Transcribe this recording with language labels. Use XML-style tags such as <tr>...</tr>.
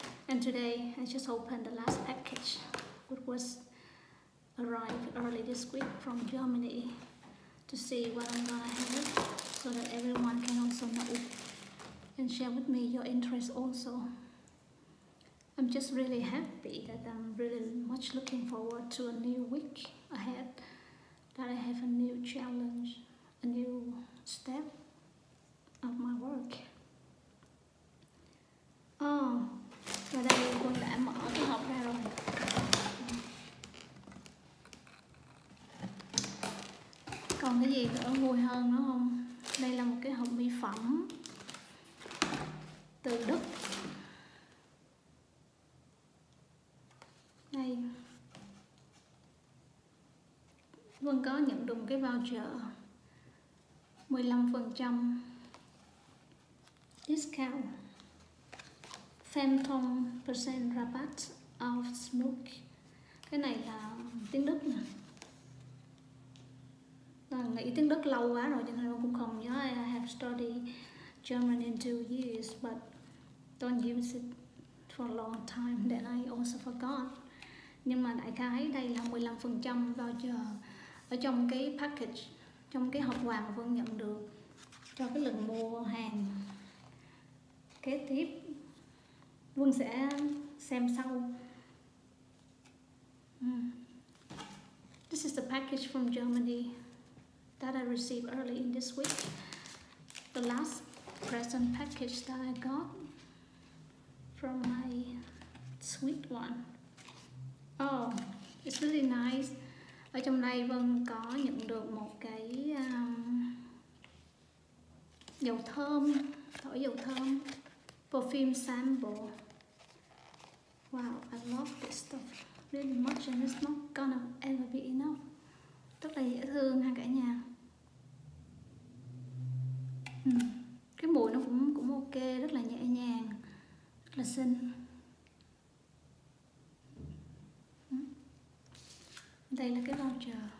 <en>And today I just opened the last package, which was arrived early this week from Germany, to see what I'm gonna have, so that everyone can also know and share with me your interest also. I'm just really happy that I'm really much looking forward to a new week ahead, that I have a new challenge, a new step of my work.</en> <vi>Và đây Quân đã mở cái hộp ra rồi. Còn cái gì nữa vui hơn nữa không? Đây là một cái hộp mỹ phẩm từ Đức. Đây, Quân có nhận được cái voucher 15% discount,</vi> <de>Phantom percent rabatt of smoke.</de> <vi>Cái này là tiếng Đức nè. Tôi nghĩ tiếng Đức lâu quá rồi cho nên tôi cũng không nhớ.</vi> <en>I have studied German in 2 years, but don't use it for a long time, then I also forgot.</en> <vi>Nhưng mà đại khái đây là 15% voucher ở trong cái package, trong cái hộp quà mà Vân nhận được cho cái lần mua hàng kế tiếp. Vân sẽ xem sau.</vi> <en>This is the package from Germany that I received early in this week. The last present package that I got from my sweet one. Oh, it's really nice.</en> <vi>Ở trong đây Vân có nhận được một cái dầu thơm, thổi dầu thơm</vi> <en>perfume sample. Wow, I love this stuff really much and it's not gonna ever be enough.</en> <vi>Rất là dễ thương ha cả nhà. Cái mùi nó cũng ok, rất là nhẹ nhàng, rất là xinh. Đây là cái voucher.</vi>